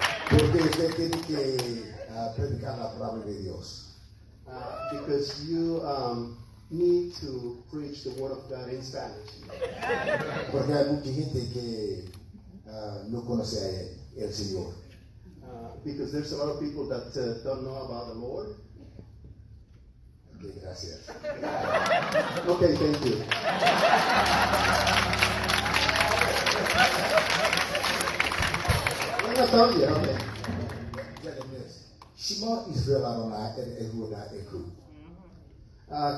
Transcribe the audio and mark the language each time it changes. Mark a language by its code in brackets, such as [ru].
[es] Porque usted tiene que predicar la palabra de Dios. [en] Because you need to preach the word of God in Spanish. [es] Porque hay mucha gente que no conoce a él. El Señor. [en] Because there's a lot of people that don't know about the Lord. Okay, gracias. Okay, thank you. I'm not telling you, okay. Get this. [he] Shema Israel Adonai and Ehud Eku.